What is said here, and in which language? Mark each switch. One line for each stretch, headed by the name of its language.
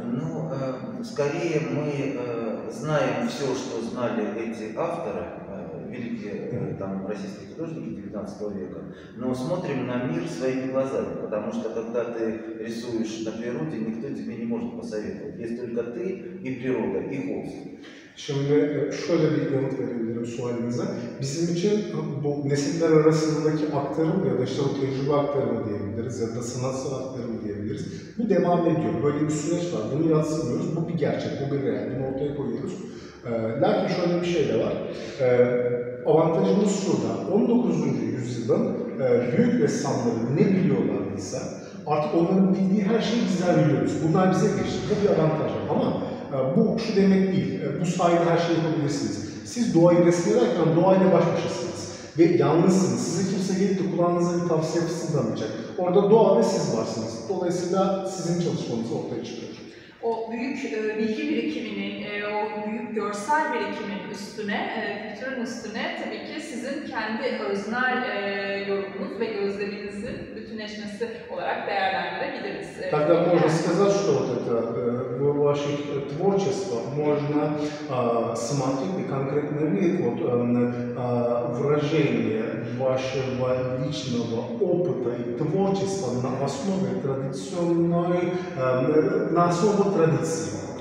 Russian: Ну, скорее мы знаем все, что знали эти авторы, великие там российские художники 19 века, но смотрим на мир своими глазами, потому что когда ты рисуешь на природе, никто тебе не может посоветовать, есть только ты и природа, и холст.
Turkish: Şimdi şöyle bir yanıt verebilirim sualinize. Bizim için bu nesiller arasındaki aktarım ya da işte bu tecrübe aktarımı diyebiliriz ya da sanatsal aktarımı diyebiliriz. Bu devam ediyor. Böyle bir süreç var. Bunu yansımıyoruz. Bu bir gerçek. Bu bir real. Bunu ortaya koyuyoruz. Lakin şöyle bir şey de var. Avantajımız şurada. 19. yüzyılın büyük ressamları ne biliyorlardıysa artık onların bildiği her şeyi bizler biliyoruz. Bunlar bize geçti. Bu bir avantaj var. Ama bu şu demek değil, bu sayede her şeyi yapabilirsiniz. Siz doğayı resmederken doğayla baş başasınız ve yalnızsınız. Size kimse gelip de kulağınıza bir tavsiye fısıldamayacak. Orada doğa ve siz varsınız. Dolayısıyla sizin çalışmanız ortaya çıkıyor. O büyük bilgi birikiminin, o büyük görsel birikimin üstüne, kültürün üstüne tabii ki sizin kendi öznel yorumunuz ve gözleminizin bütünleşmesi olarak değerlendirebiliriz.
Russian: Тогда можно сказать, что вот это ваше творчество можно смотреть и конкретно видеть вот выражение вашего личного опыта и творчества на основе традиционной, на основе традиции.